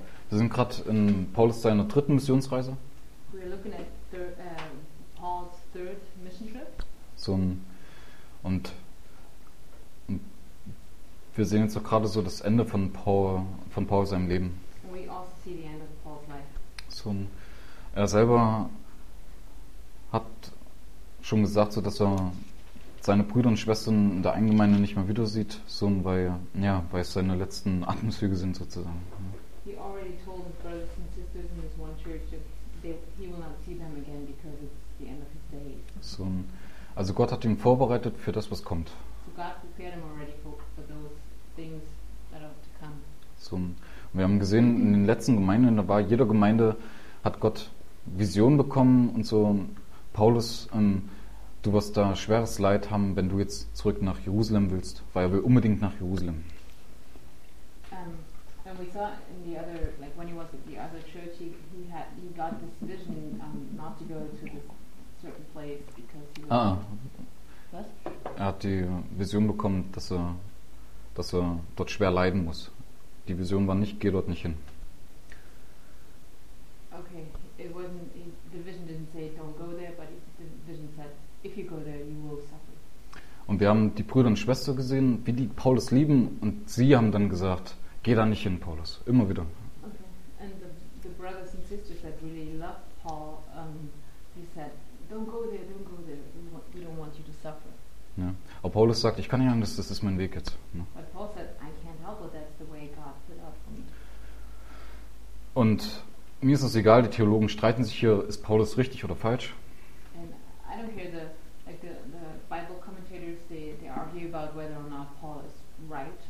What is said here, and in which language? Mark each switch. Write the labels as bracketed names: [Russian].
[German] Wir sind gerade in Paulus seiner dritten Missionsreise. [English] We're looking at Paul's third mission trip. [German] So und wir sehen jetzt auch gerade so das Ende von Paul seinem Leben. [English] We also see the end of Paul's life. [German] So er selber hat schon gesagt, so dass er seine Brüder und Schwestern in der Eingemeinde nicht mehr wieder sieht, so weil es seine letzten Atemzüge sind sozusagen. [English] He already told his brothers and sisters in this one church that he will not see them again because it's the end of his days. [German] So, also Gott hat ihn vorbereitet für das, was kommt. [English] So God prepared him already for those things that are to come. [German] So, und wir haben gesehen in den letzten Gemeinden, da war jeder Gemeinde hat Gott Visionen bekommen und so Paulus, du wirst da schweres Leid haben, wenn du jetzt zurück nach Jerusalem willst, weil er will unbedingt nach Jerusalem. [English] And we saw in the other, like when he was at the other church, he got this vision not to go to this certain place because he was. Ah. [German] Was? Er hat die Vision bekommen, dass er dort schwer leiden muss. Die Vision war nicht, geh dort nicht hin. [English] Okay, the vision didn't say don't go there, but the vision said if you go there, you will suffer. [German] Und wir haben die Brüder und Schwestern gesehen, wie die Paulus lieben, und sie haben dann gesagt. Geh da nicht hin, Paulus. Immer wieder. Okay. [English] And the brothers and sisters that really loved Paul, they said, don't go there, don't go there. We don't want you to suffer. [German] Ja. Aber Paulus sagt, ich kann nicht anders, das ist mein Weg jetzt. Ja. [English] But Paul said, I can't help it, that's the way God put out for me. [German] Und mir ist es egal, die Theologen streiten sich hier, ist Paulus richtig oder falsch? [English] And I don't care, the Bible commentators, they argue about whether or not Paul is right.